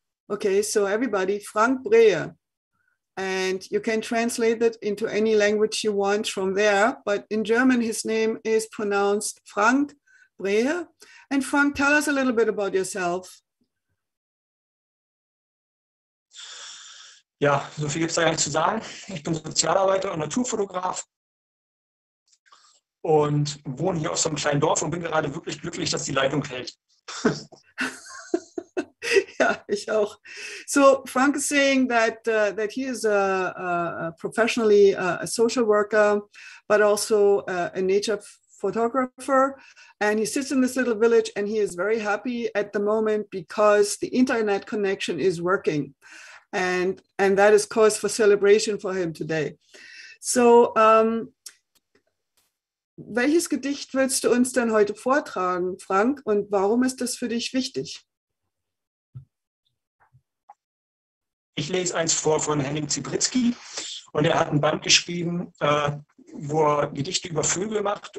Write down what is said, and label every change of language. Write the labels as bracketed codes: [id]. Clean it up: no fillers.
[en] Okay, so everybody, Frank Brehe. And you can translate it into any language you want from there. But in German, his name is pronounced Frank Brehe. And Frank, tell us a little bit about yourself. [de] Ja, so viel gibt es da eigentlich zu sagen. Ich bin Sozialarbeiter und Naturfotograf und wohne hier auf so einem kleinen Dorf und bin gerade wirklich glücklich, dass die Leitung hält. Ja, ich auch. [en] So, Frank is saying that that he is a professionally a social worker, but also a nature photographer. And he sits in this little village and he is very happy at the moment because the internet connection is working. And that is cause for celebration for him today. [de] So, welches Gedicht willst du uns denn heute vortragen, Frank? Und warum ist das für dich wichtig? Ich lese eins vor von Henning Zibritzky. Und er hat ein Band geschrieben, wo er Gedichte über Vögel macht.